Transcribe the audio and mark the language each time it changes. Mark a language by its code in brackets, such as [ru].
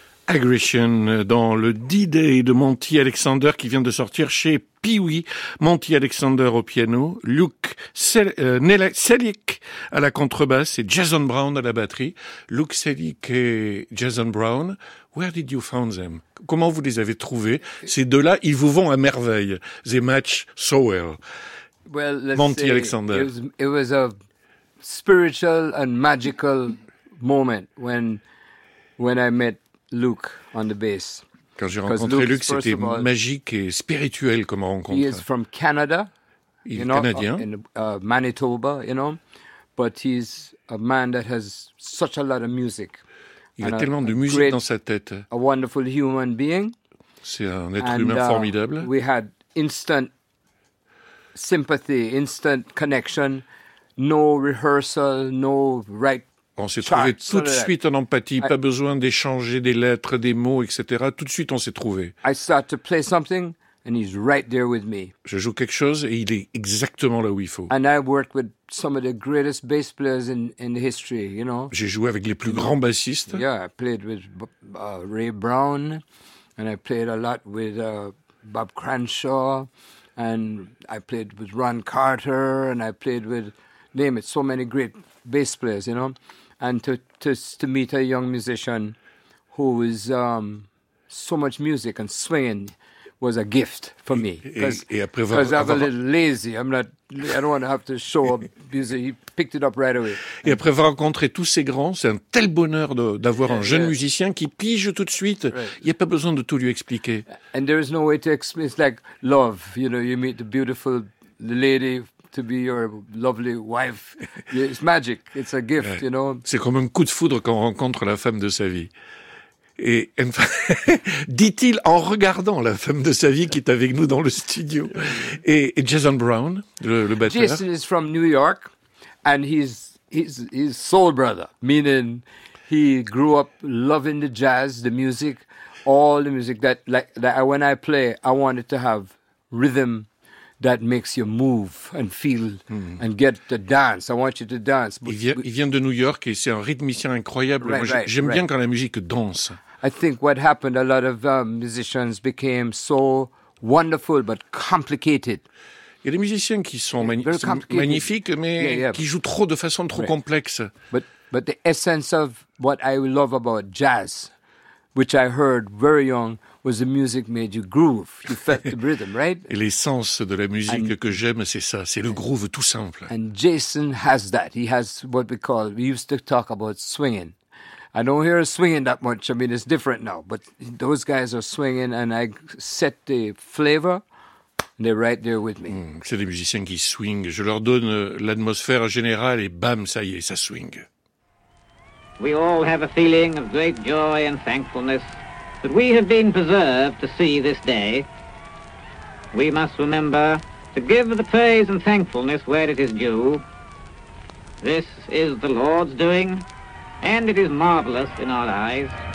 [fr] Aggression dans le D-Day de Monty Alexander qui vient de sortir chez Pee-Wee. Monty Alexander au piano, Luke Selick à la contrebasse et Jason Brown à la batterie. [en] Luke Selick et Jason Brown, where did you find them? [fr] Comment vous les avez trouvés? Ces deux-là, ils vous vont à merveille. [en] They match so well. Well, let's Monty say, Alexander. It was a spiritual and magical moment when I met Luke on the bass. [fr] Quand j'ai rencontré Luke, c'était magique et spirituel comme rencontre. [en] He is from Canada. [fr] Il est canadien. [en] Manitoba, you know. But he's a man that has such a lot of music. [fr] Il a tellement de musique dans sa tête. [en] A wonderful human being. [fr] C'est un être humain formidable. [en] We had instant sympathy, instant connection. No rehearsal, no right. [fr] On s'est trouvé tout de suite en empathie, pas besoin d'échanger des lettres, des mots, etc. Tout de suite, on s'est trouvé. [en] I start to play something, and he's right there with me. [fr] Je joue quelque chose et il est exactement là où il faut. [en] And I worked with some of the greatest bass players in the history, you know. [fr] J'ai joué avec les plus grands bassistes. [en] Yeah, I played with Ray Brown, and I played a lot with Bob Cranshaw, and I played with Ron Carter, and I played with name it, so many great bass players, you know, and to meet a young musician who is so much music and swinging was a gift for me. Because I'm a little lazy, I don't want to have to show up music. He picked it up right away. [fr] Et après avoir rencontré tous ces grands, c'est un tel bonheur d'avoir un jeune musicien qui pige tout de suite. Right. Il n'y a pas besoin de tout lui expliquer. [en] And there is no way to explain. It's like love, you know. You meet the beautiful lady to be your lovely wife. It's magic. It's a gift, you know. [fr] C'est comme un coup de foudre quand on rencontre la femme de sa vie. Et dit-il en regardant la femme de sa vie qui est avec nous dans le studio. Et Jason Brown, le batteur. [en] Jason is from New York and he's soul brother, meaning he grew up loving the jazz, the music, all the music that when I play, I wanted to have rhythm that makes you move and feel and get to dance. I want you to dance. [fr] Il vient de New York et c'est un rythmicien incroyable. [en] Right, [fr] moi, j'aime bien quand la musique danse. [en] I think what happened, a lot of musicians became so wonderful but complicated. [fr] Il y a des musiciens qui sont magnifiques mais qui jouent trop de façon trop complexe. [en] But the essence of what I love about jazz, which I heard very young, was the music made you groove, you felt the rhythm, right? [fr] Et l'essence de la musique que j'aime, c'est ça, c'est le groove tout simple. [en] And Jason has that. He has what we call, we used to talk about swinging. I don't hear swinging that much. I mean, it's different now. But those guys are swinging and I set the flavor and they're right there with me. [fr] C'est des musiciens qui swingent. Je leur donne l'atmosphère générale et bam, ça y est, ça swing. [en] We all have a feeling of great joy and thankfulness that we have been preserved to see this day. We must remember to give the praise and thankfulness where it is due. This is the Lord's doing, and it is marvelous in our eyes.